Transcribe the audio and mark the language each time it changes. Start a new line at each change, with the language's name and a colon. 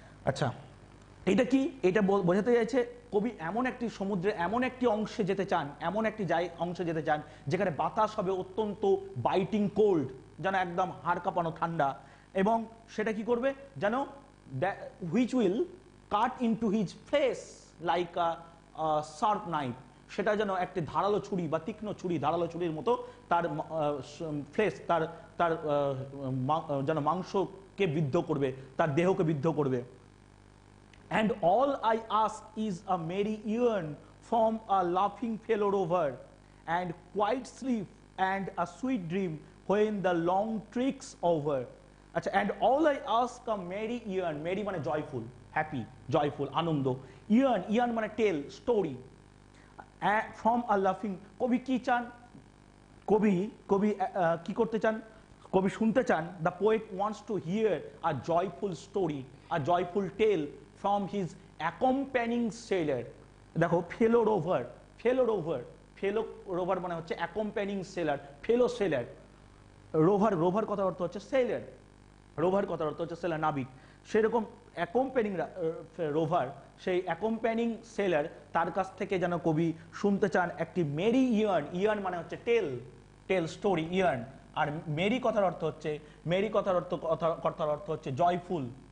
Bangla: আচ্ছা এটা কি, এটা বোঝাতে চাইছে কবি এমন একটি সমুদ্রে, এমন একটি অংশে যেতে চান, এমন একটি যাই অংশে যেতে চান যেখানে বাতাস হবে অত্যন্ত
English: biting cold,
Bangla: যেন একদম হাড় কাঁপানো ঠান্ডা, এবং সেটা কি করবে যেন,
English: which will cut into his face like a sharp knife,
Bangla: সেটা যেন একটি ধারালো ছুরি বা তীক্ষ্ণ ছুরি, ধারালো ছুরির মতো তার ফ্লেশ, তার তার যেন মাংসকে বিদ্ধ করবে, তার দেহকে বিদ্ধ করবে।
English: And all I ask is a merry yarn from a laughing fellow over, and quiet sleep and a sweet dream when the long trick's over.
Bangla: আচ্ছা,
English: and all I ask a merry yarn, merry মানে joyful, happy, joyful, আনন্দ, yarn, yarn মানে tale, story, from a laughing,
Bangla: কবি কি চান, কবি কবি কি করতে চান, কবি শুনতে চান,
English: the poet wants to hear a joyful story, a joyful tale from his accompanying sailor.
Bangla: দেখো, ফেলো রোভার, ফেলো রোভার, ফেলো রোভার মানে হচ্ছে অ্যাকম্প্যানিং সেলার, ফেলো সেলার, রোভার, রোভার কথার অর্থ হচ্ছে সেলার, রোভার কথার অর্থ হচ্ছে সেলার, নাবিক, সেরকম অ্যাকম্প্যানিং রোভার, সেই অ্যাকম্প্যানিং সেলার, তার কাছ থেকে যেন কবি শুনতে চান একটি মেরি ইয়ার্ন, ইয়ার্ন মানে হচ্ছে টেল, টেল স্টোরি, ইয়ার্ন, আর মেরি কথার অর্থ হচ্ছে, মেরি কথার অর্থ, কথার অর্থ হচ্ছে জয়ফুল,